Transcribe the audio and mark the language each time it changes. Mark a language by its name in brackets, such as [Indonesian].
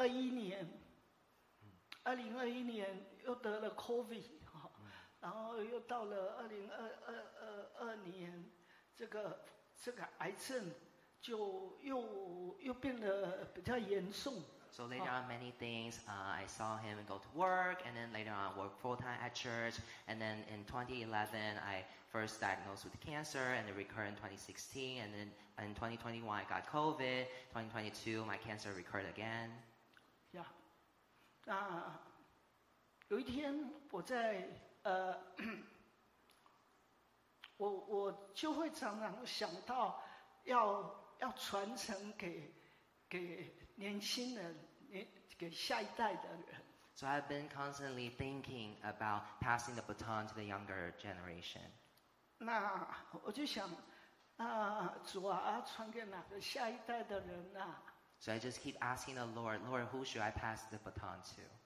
[Chinese] 年，2021年又得了 COVID，然后又到了2022年，这个癌症就又变得比较严重。 [English] So later on, many things. I saw him go to work, and then later on, work full time at church. And then in 2011, I first diagnosed with cancer, and then recurred in 2016. And then in 2021, I got COVID. 2022, my cancer recurred again. Yeah. [Chinese] 有一天我在我就会常常想到要传承给年轻人，给下一代的人。 [English] So I've been constantly thinking about passing the baton to the younger generation. [Chinese] 那我就想，主啊，传给哪个下一代的人呢？ [English] So I just keep asking the Lord, Lord, who should I pass the baton to?